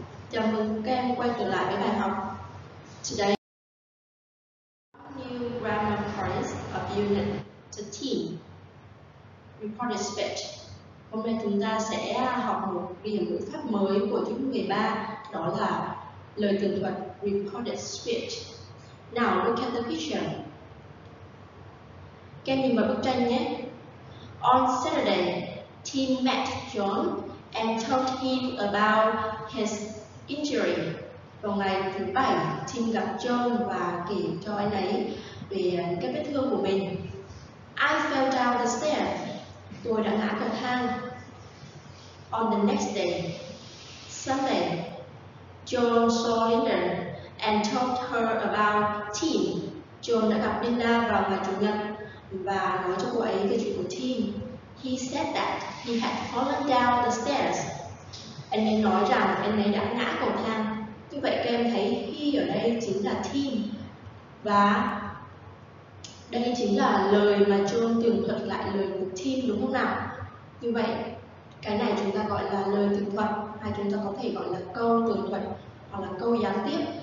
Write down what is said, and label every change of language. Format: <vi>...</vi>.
<vi>Chào mừng các em quay trở lại với bài học.</vi> <en>Today, new grammar phrase of unit 13, recorded speech.</en> <vi>Hôm nay chúng ta sẽ học một biểu ngữ pháp mới của chương 13, đó là lời tường thuật</vi> <en>recorded speech. Now, look at the picture.</en> <vi>Các em nhìn vào bức tranh nhé.</vi> <en>On Saturday, Tim met John and told him about his injury.</en> <vi>Vào ngày thứ bảy, Tim gặp John và kể cho anh ấy về cái vết thương của mình.</vi> <en>I fell down the stairs.</en> <vi>Tôi đã ngã cầu thang.</vi> <en>On the next day, Sunday, John saw Linda and told her about Tim.</en> <vi>John đã gặp Linda vào ngày chủ nhật và nói cho cô ấy về chuyện của Tim.</vi> <en>He said that he had fallen down the stairs.</en> <vi>Anh ấy nói rằng anh ấy đã ngã cầu thang. Như vậy các em thấy he ở đây chính là Tim. Và đây chính là lời mà John tường thuật lại lời của Tim, đúng không nào? Như vậy, cái này chúng ta gọi là lời tường thuật, hay chúng ta có thể gọi là câu tường thuật hoặc là câu gián tiếp.</vi>